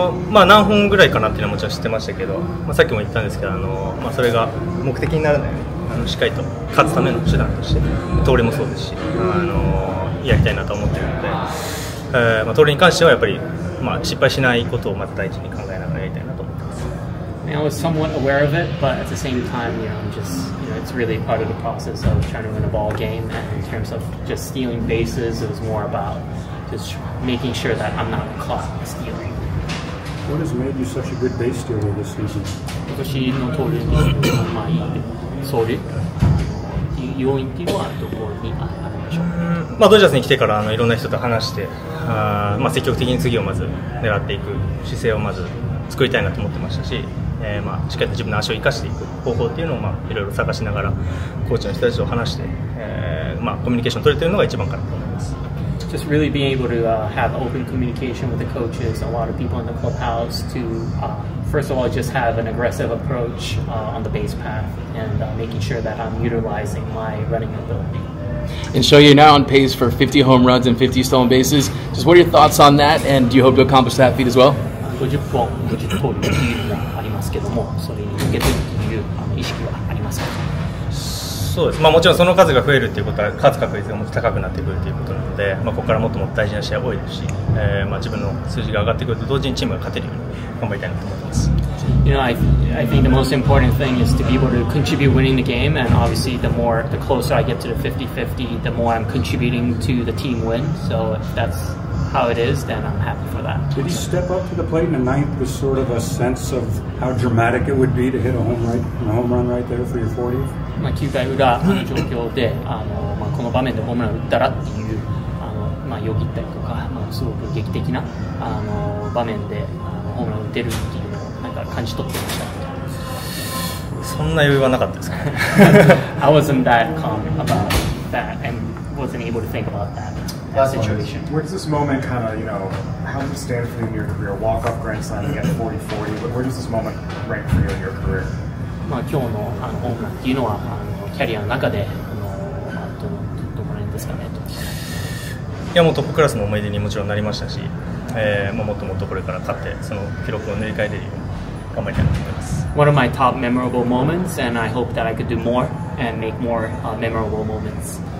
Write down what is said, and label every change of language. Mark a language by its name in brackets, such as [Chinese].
[Japanese] まあ、何本ぐらいかなっていうのはもちろん知ってましたけど、まあ、さっきも言ったんですけど、まあ、それが目的にならないように、しっかりと勝つための手段として、盗塁もそうですし、やりたいなと思っているので、盗塁に関してはやっぱり、まあ、失敗しないことをまず第一に考えながらやりたいなと思ってます。 [English] I was somewhat aware of it, but at the same time, it's really part of the process of trying to win a ball game, and in terms of just stealing bases, it was more about just making sure that I'm not caught stealing. What has made you such a good base stealer this season? [Japanese] 私の盗塁にとってはいい走塁要因というのはどこにあるでしょう、まあ、ドジャースに来てからいろんな人と話して、まあ、積極的に次をまず狙っていく姿勢をまず作りたいなと思ってましたし、まあ、しっかりと自分の足を生かしていく方法というのをいろいろ探しながらコーチの人たちと話して、まあ、コミュニケーションを取れているのが一番かなと思います。 [English] Just really being able to have open communication with the coaches, a lot of people in the clubhouse to, first of all, just have an aggressive approach on the base path and making sure that I'm utilizing my running ability. And so you're now on pace for 50 home runs and 50 stolen bases. Just what are your thoughts on that, and do you hope to accomplish that feat as well? [Japanese] 50本、50通りっていうのがありますけども、それに向けてっていう意識はありますか？そうです。まあ、もちろんその数が増えるということは勝つ確率がもっと高くなってくるということなので、まあ、ここからもっともっと大事な試合が多いですし、まあ自分の数字が上がってくると同時にチームが勝てるように頑張りたいなと思います。 [English] You know, I think the most important thing is to be able to contribute winning the game, and obviously the closer I get to the 50-50, the more I'm contributing to the team win. So if that's how it is, then I'm happy for that. Did you step up to the plate in the ninth with sort of a sense of how dramatic it would be to hit a home run right there for your 40th? [Japanese] まあ、9回裏の状況で、まあ、この場面でホームラン打ったらっていう、まあ、よぎったりとか、まあ、すごく劇的な、場面で、ホームラン打てるっていうのをなんか感じ取ってました。そんな余裕はなかったですか？ [English] I wasn't that calm about that and wasn't able to think about that situation. Where's this moment kind of, how does it stand for you in your career? Walk up grand slam and get 40-40, but where does this moment rank for you in your career? [Japanese] まあ、今日 のホームランというのはキャリアの中で、どこら辺ですかねと。いや、もうトップクラスの思い出にもちろんなりましたし、まあ、もっともっとこれから勝って、その記録を塗り替えれるように頑張りたいなと思います。 [English] One of my top memorable moments, and I hope that I could do more and make more memorable moments.